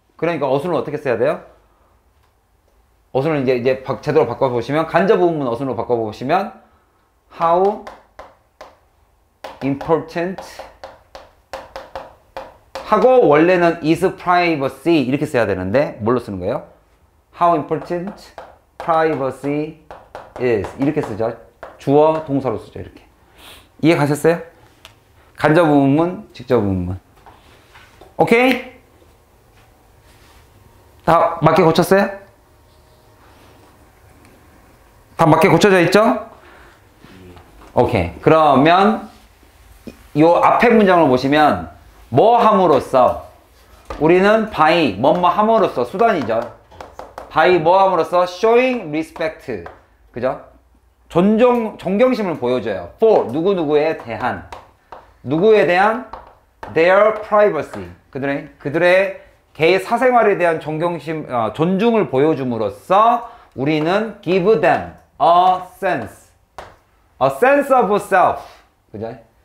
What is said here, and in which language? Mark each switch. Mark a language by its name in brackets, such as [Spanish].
[Korean] 그러니까 어순을 어떻게 써야 돼요? 어순을 이제 제대로 바꿔보시면 간접 의문문 어순으로 바꿔보시면 [English] how important [Korean] 하고 원래는 [English] is privacy [Korean] 이렇게 써야 되는데 뭘로 쓰는 거예요? [English] How important privacy is [Korean] 이렇게 쓰죠. 주어 동사로 쓰죠. 이렇게 이해 가셨어요? 간접 의문문 직접 의문문. [English] 오케이? [Korean] 다 맞게 고쳤어요? 다 맞게 고쳐져 있죠? 오케이. 그러면 요 앞에 문장을 보시면 뭐 함으로써 우리는 by 뭐뭐 함으로써 수단이죠. [English] by [Korean] 뭐 함으로써 [English] showing respect. [Korean] 그죠? 존중, 존경심을 보여줘요. for 누구누구에 대한. 누구에 대한? [English] their privacy. [Korean] 그들의 개의 사생활에 대한 존경심, 존중을 보여줌으로써 우리는 [English] give them a sense. A sense of self. [Korean] 그죠?